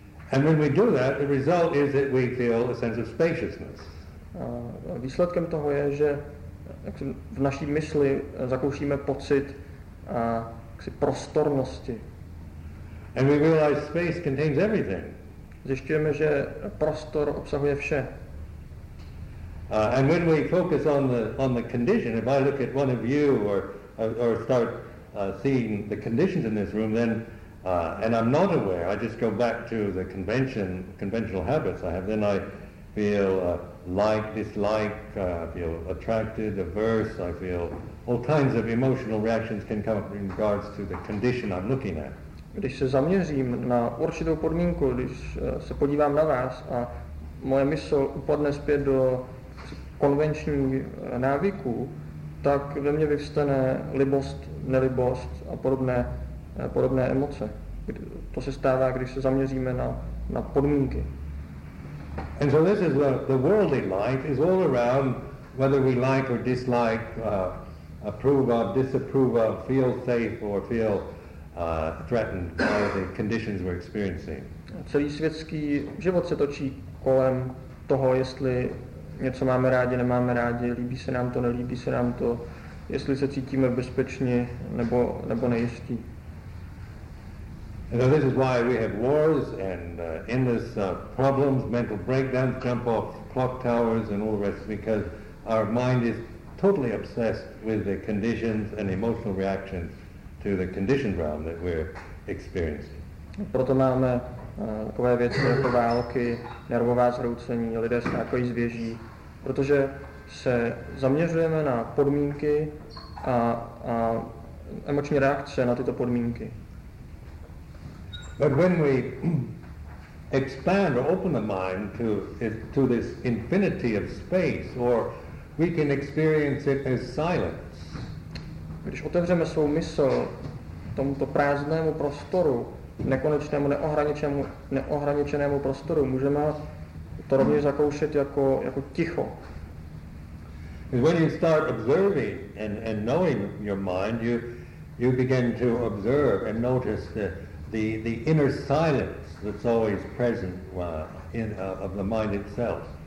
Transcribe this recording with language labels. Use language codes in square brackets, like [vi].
[en] And when we do that, the result is that we feel a sense of spaciousness. [cs] Výsledkem toho je, že v naší mysli zakoušíme pocit prostornosti. [en] And we realize space contains everything. [cs] Zjišťujeme, že prostor obsahuje vše. [en] And when we focus on the condition, if I look at one of you or start seeing the conditions in this room, then and I'm not aware, I just go back to the conventional habits I have, then I feel like, dislike, I feel attracted, averse, I feel all kinds of emotional reactions can come up in regards to the condition I'm looking at. [cs] Když se zaměřím na určitou podmínku, když se podívám na vás a moje mysl upadne zpět do konvenční návyků, tak ve mně vyvstane libost, nelibost a podobné emoce. To se stává, když se zaměříme na podmínky. [en] And so this is the worldly life is all around whether we like or dislike, approve of, disapprove of, feel safe or feel threatened by the conditions we're experiencing. [cs] Celý světský život se točí kolem toho, jestli něco máme rádi, nemáme rádi, líbí se nám to, nelíbí se nám to, jestli se cítíme bezpečně nebo nejistí. [en] And so this is why we have wars and endless problems, mental breakdowns, jump off clock towers and all the rest, because our mind is totally obsessed with the conditions and emotional reactions to the conditioned realm that we're experiencing. [cs] Proto máme takové věci jako války, nervová zhroucení, lidé se jako zvěží, protože se zaměřujeme na podmínky a emoční reakce na tyto podmínky. [en] But when we expand or open the mind to this infinity of space, or we can experience it as silence. [cs] Když otevřeme svou mysl tomuto prázdnému prostoru, nekonečnému, neohraničenému prostoru, můžeme to rovněž zakoušet jako ticho. [en] When you start observing and knowing your mind, you begin to observe and notice the inner silence that's always present of the mind itself.